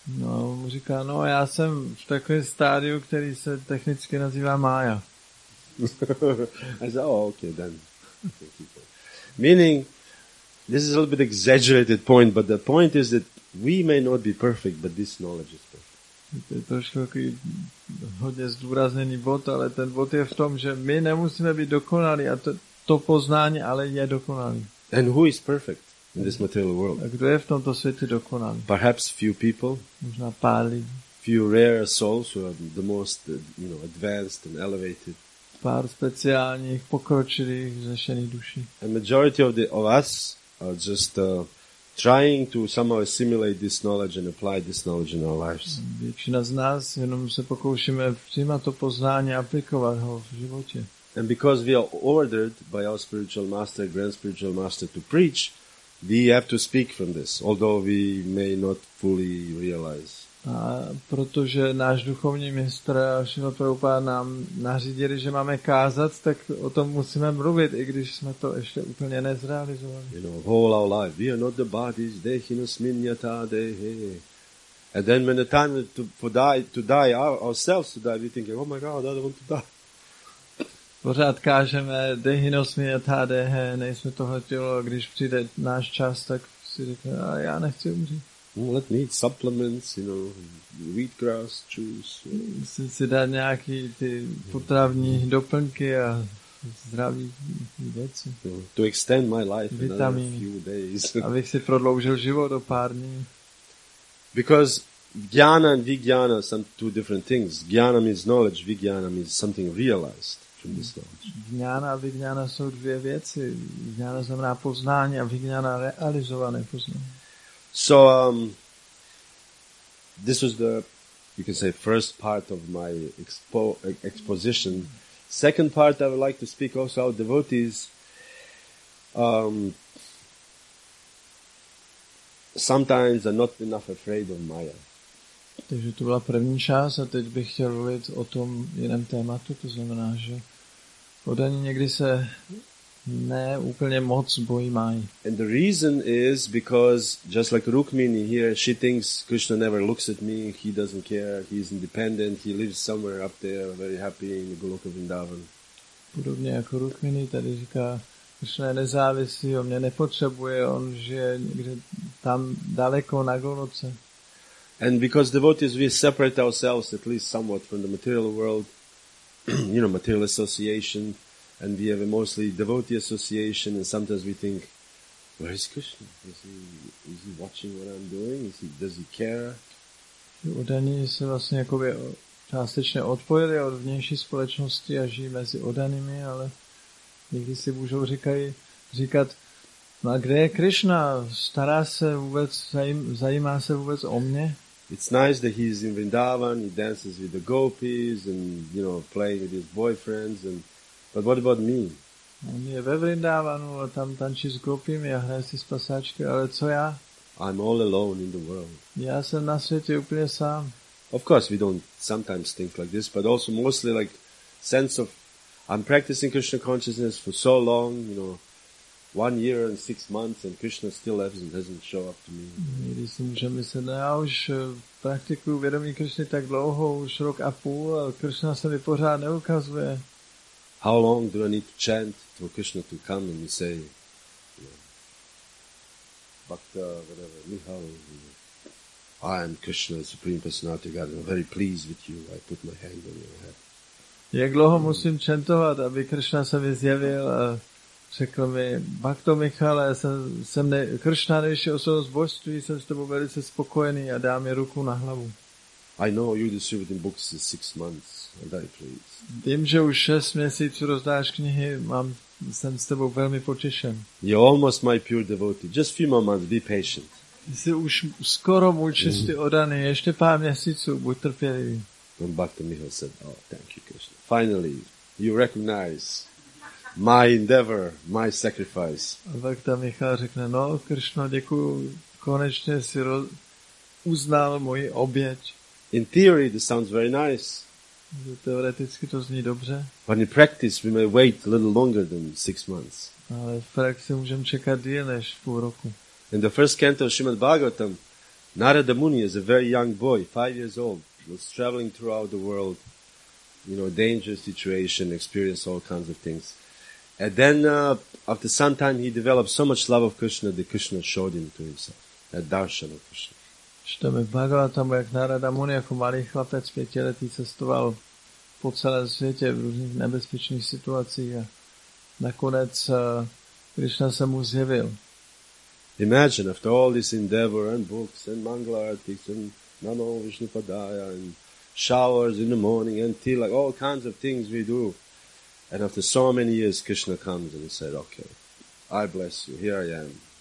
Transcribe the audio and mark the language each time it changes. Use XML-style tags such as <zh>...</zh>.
<cs>No a mu říká, no, já jsem v takovém stádiu, který se technicky nazývá Maya.</cs> <en>I said, oh, okay, then. Meaning, this is a little bit exaggerated point, but the point is that we may not be perfect, but this knowledge is perfect.</en> <cs>To je trošku hodně zdůrazněný bod, ale ten bod je v tom, že my nemusíme být dokonalí a to poznání ale je dokonalý.</cs> <en>And who is perfect in this material world?</en> <cs>A kdo je v tomto světě dokonalý?</cs> <en>Perhaps few people.</en> <cs>Možná pár lidí.</cs> <en>Few rare souls who are the most, you know, advanced and elevated.</en> <cs>Pár speciálních pokročilých vznešených duší.</cs> <en>A majority of us just trying to somehow assimilate this knowledge and apply this knowledge in our lives.</en> <cs>Většina z nás jenom se pokoušíme přijímat to poznání a aplikovat ho v životě.</cs> <en>And because we are ordered by our spiritual master, grand spiritual master, to preach, we have to speak from this, although we may not fully realize.</en> <cs>A protože náš duchovní mistr Srila Prabhupada nám nařídili, že máme kázat, tak o tom musíme mluvit, i když jsme to ještě úplně nezrealizovali.</cs> <en>You know, whole our life, we are not the bodies,</en> <sa>dehina smiñata dehe.</sa> <en>And then when the time to die ourselves, we think, oh my God, I don't want to die.</en> <cs>Pořád kážeme,</cs> <sa>dehina smiñata dehe,</sa> <cs>nejsme toho tělo, když přijde náš čas, tak si řekne, a já nechci umřít.</cs> <en>Let me eat supplements, you know, wheatgrass, juice.</en> <cs>Musím si dát nějaké ty potravní doplňky a zdraví věci.</cs> <en>To extend my life vitamin, another few days.</en> <cs>Abych si prodloužil život o pár dní.</cs> <en>Because jnana and vijnana are two different things. Jnana means knowledge, vijnana means something realized from this knowledge.</en> <cs>Jnana a vijnana jsou dvě věci. Jnana znamená poznání a vijnana realizované poznání.</cs> <en>So this was the, you can say, first part of my exposition. Second part, I would like to speak also how devotees sometimes are not enough afraid of Maya.</en> <cs>Takže to byla první část a teď bych chtěl mluvit o tom jiném tématu, to znamená, že podaní někdy se ne úplně moc bojí Mají.</cs> <en>And the reason is because just like Rukmini here, she thinks Krishna never looks at me, he doesn't care, he's independent, he lives somewhere up there, very happy in Goloka Vrindavan.</en> <cs>Podobně jako Rukmini tady říká, Krishna je nezávislý, on mě nepotřebuje, on žije někde tam daleko na Goloce.</cs> <en>And because devotees, we separate ourselves at least somewhat from the material world, you know, material association. And we have a mostly devotee association, and sometimes we think, where is Krishna? Is he watching what I'm doing? Does he care?</en> <cs>Odaní se vlastně jakoby částečně odpojili od vnější společnosti a žijí mezi odanými, ale někdy si můžou říkat, no a kde je Krishna? Stará se vůbec, zajímá se vůbec o mě?</cs> <en>It's nice that he's in Vrindavan, he dances with the gopis, and, you know, playing with his boyfriends, and but what about me?</en> <cs>On je ve Vrindavanu a tam tančí s gopimi a hraje si s pasáčky, ale co já?</cs> <en>I'm all alone in the world.</en> <cs>Já jsem na světě úplně sám.</cs> <en>Of course, we don't sometimes think like this, but also mostly like sense of I'm practicing Krishna consciousness for so long, you know, 1 year and 6 months, and Krishna still doesn't show up to me.</en> <cs>Někdy si můžeme myslet, no já už praktikuju vědomí Krishny tak dlouho, už rok a půl, a Krishna se mi pořád neukazuje.</cs> <en>How long do I need to chant for Krishna to come and say, you know, Bhakta, whatever, Nihal, you know, I am Krishna, the Supreme Personality of God, and I'm very pleased with you, I put my hand on your head.</en> <cs>Jak dlouho musím chantovat, aby Krishna se mi zjevil a řekl mi, Bhakto Michale, Krishna, nejvyšší osoba z božství, jsem s tebou velice spokojený a dá mi ruku na hlavu.</cs> <en>I know you distributing books in 6 months. I'm very pleased.</en> <cs>Vím, že už 6 měsíců rozdáš knihy, jsem s tebou velmi potěšen.</cs> <en>You're almost my pure devotee. Just a few more months, be patient.</en> <cs>Jsi už skoro můj čistý odaný, ještě pár měsíců, buď trpělivý.</cs> <en>When Bhakta Mihal said, oh, thank you, Krishna. Finally, you recognize my endeavor, my sacrifice.</en> <cs>A Bhakta Mihal řekne, no, Krishna, děkuju, konečně si uznal moji oběť.</cs> <en>In theory, this sounds very nice.</en> <cs>Teoreticky to zní dobře.</cs> <en>But in practice, we may wait a little longer than 6 months.</en> <cs>Ale v praxi můžeme čekat díl než půl roku.</cs> <en>In the first canto of Srimad Bhagavatam, Narada Muni is a very young boy, 5 years old, was traveling throughout the world, you know, a dangerous situation, experienced all kinds of things. And then, after some time, he developed so much love of Krishna that Krishna showed him to himself, that darshan of Krishna.</en> <cs>Čteme v Bhagavatamu, jak Narada Muni jako malý chlapec 5letý cestoval po celém světě v různých nebezpečných situacích a nakonec Krishna se mu zjevil.</cs> <en>Imagine, after all this endeavor and books and Mangala artists and Namo Vishnupadaya and showers in the morning and tea, like all kinds of things we do. And after so many years, Krishna comes and he said, okay, I bless you, here I am.</en>